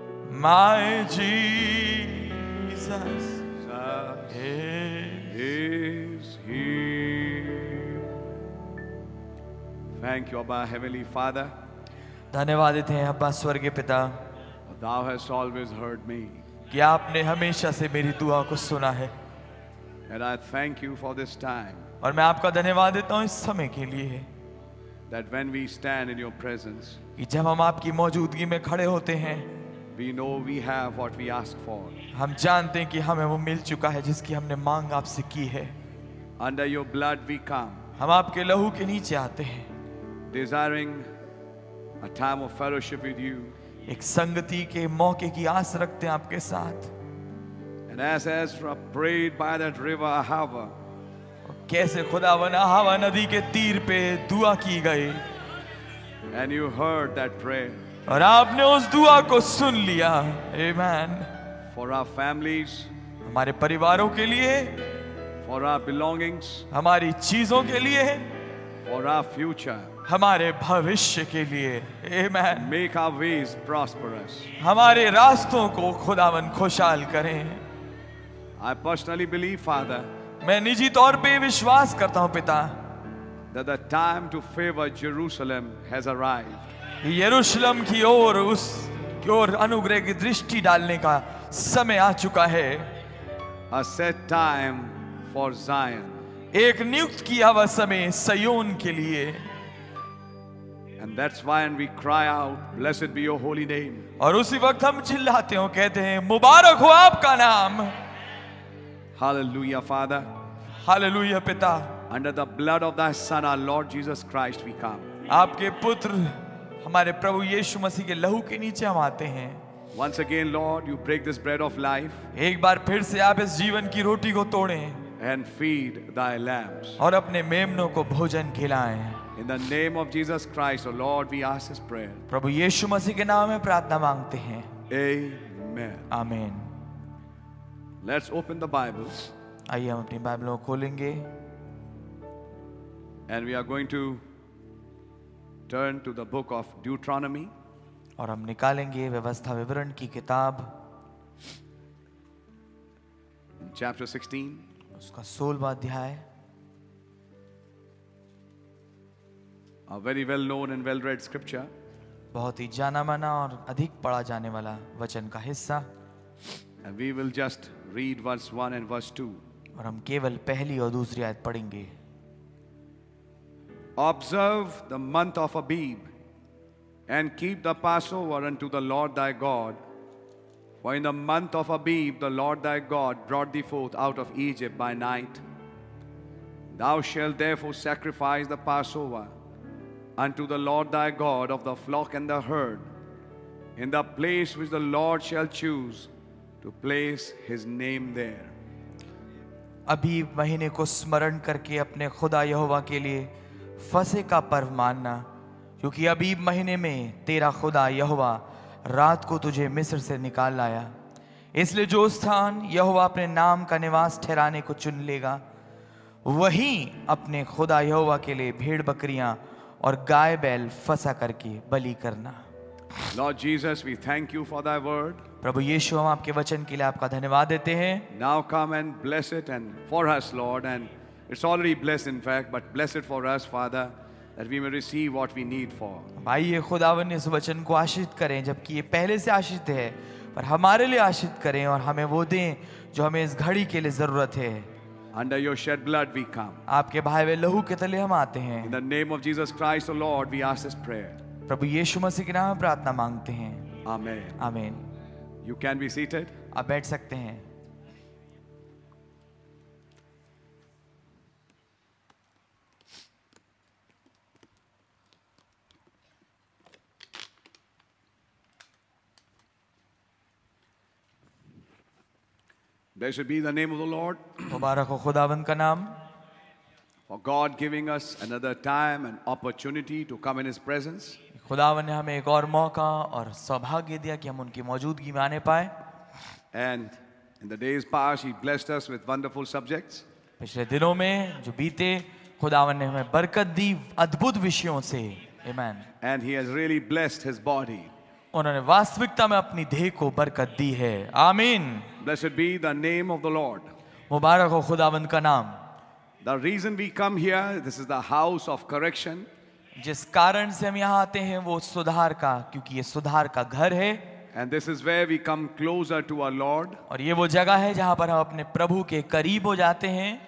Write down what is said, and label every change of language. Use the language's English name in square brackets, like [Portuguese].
[English] My Jesus is here. Thank you, Abba, Heavenly Father. [Hindi] धन्यवाद इतने अब्बा स्वर्गीय पिता. [English] Thou hast always heard me. [Hindi] कि आपने हमेशा से मेरी दुआ को सुना है. [English] And I thank you for this time. [Hindi] और मैं आपका धन्यवाद देता हूँ इस समय के लिए. [English] That when we stand in your presence, [Hindi] कि जब हम आपकी मौजूदगी में खड़े होते हैं, [English] we know we have what we asked for. [Hindi] हम जानते हैं कि हमें वो मिल चुका है जिसकी हमने मांग आपसे की है. [English] Under your blood we come. [Hindi] हम आपके लहू के नीचे आते हैं. [English] Desiring a time of fellowship with you. [Hindi] एक संगति के मौके की आस रखते हैं आपके साथ. [English] And as Ezra prayed by that river Ahava. [Hindi] कैसे खुदावन अहावा नदी के तीर पे दुआ की गई. [English] And you heard that prayer. [Hindi] और आपने उस दुआ को सुन लिया. [English] Amen. For our families. [Hindi] हमारे परिवारों के लिए. [English] For our belongings. [Hindi] हमारी चीजों के लिए. [English] For our future. [Hindi] हमारे भविष्य के लिए. Amen. [English] Make our ways prosperous. [Hindi] हमारे रास्तों को खुदावन खुशहाल करें. [English] I personally believe, Father. [Hindi] मैं निजी तौर पे विश्वास करता हूँ पिता. [English] That the time to favor Jerusalem has arrived. [Hindi] यरूशलम की ओर उस की ओर अनुग्रह की दृष्टि डालने का समय आ चुका है. [English] A set time for Zion. [Hindi] एक नियुक्त किया हुआ समय सयोन के लिए. [English] And that's why we cry out, "Blessed be your holy name." [Hindi] और उसी वक्त हम चिल्लाते हैं, कहते हैं, मुबारक हो आपका नाम. [English] Hallelujah, Father. [Hindi] Hallelujah, Pita. [English] Under the blood of thy Son, our Lord Jesus Christ, we come. [Hindi] आपके पुत्र हमारे प्रभु यीशु मसीह के लहू के नीचे हम आते हैं. [English] Once again, Lord, you break this bread of life. [Hindi] एक बार फिर से आप इस जीवन की रोटी को तोड़ें. [English] And feed thy lambs. [Hindi] और अपने मेमनों को भोजन खिलाएं. [English] In the name of Jesus Christ, O Lord, we ask this prayer. [Hindi] प्रभु यीशु मसीह के नाम में प्रार्थना मांगते हैं. [English] Amen. Amen. Let's open the Bibles. [Hindi] आइए हम अपनी बाइबलों को खोलेंगे. [English] And we are going to turn to the book of Deuteronomy. [Hindi] और हम निकालेंगे व्यवस्था विवरण की किताब. [English] Chapter 16. [Hindi] उसका 16वां अध्याय. [English] A very well-known and well-read scripture. [Hindi] बहुत ही जाना माना और अधिक पढ़ा जाने वाला वचन का हिस्सा. [English] And we will just read verse 1 and verse 2. [Hindi] और हम केवल पहली और दूसरी आयत पढ़ेंगे. [English] Observe the month of Abib and keep the Passover unto the Lord thy God. For in the month of Abib the Lord thy God brought thee forth out of Egypt by night. Thou shalt therefore sacrifice the Passover unto the Lord thy God of the flock and the herd, in the place which the Lord shall choose to place his name there. [Hindi] अबीब महीने को स्मरण करके अपने खुदा यहोवा के लिए फसे का पर्व मानना, क्योंकि अबीब महीने में तेरा खुदा यहोवा रात को तुझे मिस्र से निकाल लाया. इसलिए जो स्थान यहोवा अपने नाम का निवास ठहराने को चुन लेगा, वहीं अपने खुदा यहोवा के लिए भेड़ बकरियां और गाय बैल फसा करके बलि करना. [English] Lord Jesus, we thank you for thy word. [Hindi] प्रभु यीशु, हम आपके वचन के लिए आपका धन्यवाद देते हैं. [English] Now come and bless it and for us, Lord, and it's already blessed in fact, but bless it for us, Father, that we may receive what we need for. [Hindi] भाई, ये खुदावन इस वचन को आशीषित करें, जबकि ये पहले से आशीषित है, पर हमारे लिए आशीषित करें और हमें वो दें जो हमें इस घड़ी के लिए जरूरत है. [English] Under your shed blood we come. [Hindi] आपके बहाए लहू के तले हम आते हैं. [English] In the name of Jesus Christ, O Lord, we ask this prayer. [Hindi] प्रभु यीशु मसीह के नाम में प्रार्थना मांगते हैं. [English] Amen. Amen. You can be seated. [Hindi] आप बैठ सकते हैं. [English] Blessed be the name of the Lord. [Hindi] मुबारक हो खुदावंद का नाम. [English] For God giving us another time and opportunity to come in His presence. [Hindi] खुदावन ने हमें एक और मौका और सौभाग्य दिया कि हम उनकी मौजूदगी में आने पाए. [English] And in the days past, He blessed us with wonderful subjects. [Hindi] पिछले दिनों में जो बीते, खुदावन ने हमें बरकत दी अद्भुत विषयों से. [English] Amen. And He has really blessed His body. [Hindi] उन्होंने वास्तविकता में अपनी देह को बरकत दी है. आमीन. [English] Blessed be the name of the Lord. [Hindi] मुबारक हो खुदावंद का नाम. [English] The reason we come here, this is the house of correction. [Hindi] जिस कारण से हम यहाँ आते हैं वो सुधार का, क्योंकि ये सुधार का घर है. [English] And this is where we come closer to our Lord. [Hindi] और ये वो जगह है जहाँ पर हम अपने प्रभु के करीब हो जाते हैं.